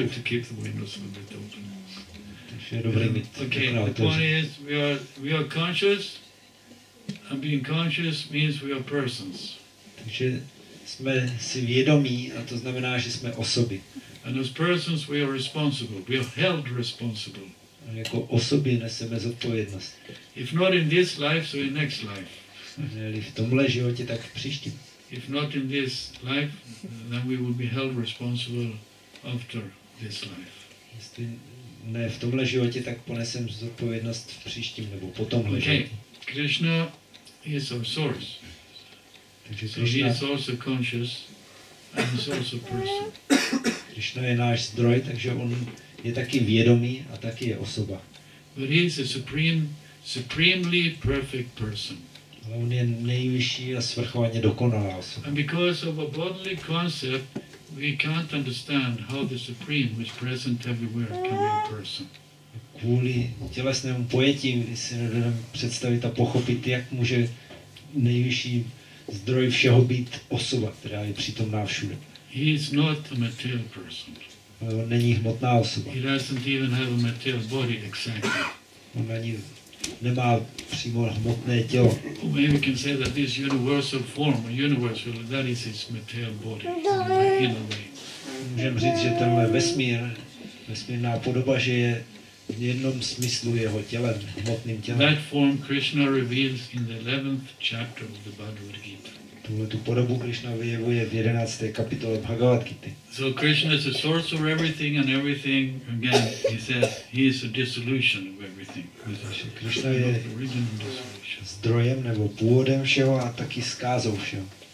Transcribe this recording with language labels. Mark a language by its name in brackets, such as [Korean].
[English] Good to keep the windows a bit open. [Czech] Takže je dobré mít takhle otevřené. [English] Okay, the point is, we are conscious, and being conscious means we are persons. [Czech] Takže jsme si vědomí a to znamená, že jsme osoby. [English] And as persons, we are responsible. We are held responsible. [Czech] A jako osoby neseme zodpovědnost. [English] If not in this life, so in next life. [Czech] Ne-li v tomhle životě, tak v příštím. [English] If not in this life, then we will be held responsible after this life. [Czech] Jestli ne v tomhle životě, tak ponesem zodpovědnost v příštím nebo po tomhle životě. [English] Okay. Krishna is our source. [Czech] Takže Krishna... [English] So he is also conscious and is also person. [Czech] Krishna je náš zdroj, takže on je taky vědomý a taky je osoba. [English] But he is a supreme, supremely perfect person. [Czech] Ale on je nejvyšší a svrchovaně dokonalá osoba. [English] And because of a bodily concept, we can't understand how the supreme, which is present everywhere, can be a person. [Czech] Kvůli tělesnému pojetí si nedovedeme představit a pochopit, jak může nejvyšší zdroj všeho být osoba, která je přítomná všude. [English] He is not a material person. [Czech] On není hmotná osoba. [English] He doesn't even have a material body exactly. [Czech] On ani nemá přímo hmotné tělo. [English] Or maybe we can say that this universal form, universal, that is his material body, in a way. [Czech] Můžeme říct, že tenhle vesmír, vesmírná podoba, že je v jednom smyslu jeho tělem, hmotným tělem. [English] That form Krishna reveals in the 11th chapter of the Bhagavad Gita. [Czech] Tuhle tu podobu Krishna vyjevuje v 11. kapitole Bhagavad Gita. [English] So Krishna is the source of everything and everything, again, he says, he is a dissolution of everything. [Czech] Krishna je zdrojem nebo původem všeho a taky zkázou všeho.